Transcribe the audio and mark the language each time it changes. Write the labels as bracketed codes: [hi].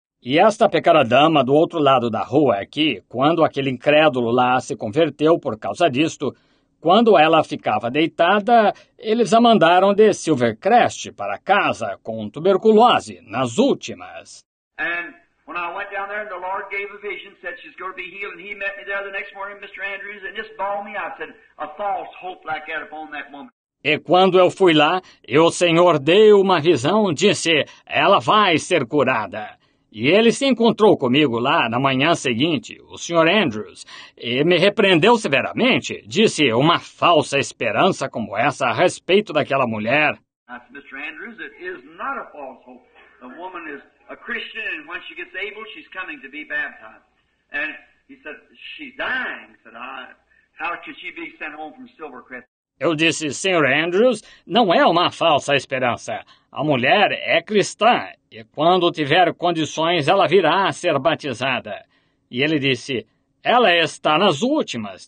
[pt] E esta pequena dama do outro lado da rua aqui, quando aquele incrédulo lá se converteu por causa disto, quando ela ficava deitada, eles a mandaram de Silvercrest para casa com tuberculose, nas últimas. [en] And when I went down there and the Lord gave a vision, said she's going to be healed, and he met me there the next morning, Mr. Andrews, and just bawled me out, said, a false hope like that upon that woman. [pt] E quando eu fui lá, e o Senhor deu uma visão, disse, ela vai ser curada. E ele se encontrou comigo lá na manhã seguinte, o Sr. Andrews, e me repreendeu severamente, disse, uma falsa esperança como essa a respeito daquela mulher. [en] That's Mr. Andrews, it is not a false hope. The woman is a Christian, and when she gets able, she's coming to be baptized. And he said, she's dying. He said, how could she be sent home from Silvercrest? [pt] Eu disse, Sr. Andrews, não é uma falsa esperança. A mulher é cristã e quando tiver condições, ela virá a ser batizada. E ele disse, ela está nas últimas.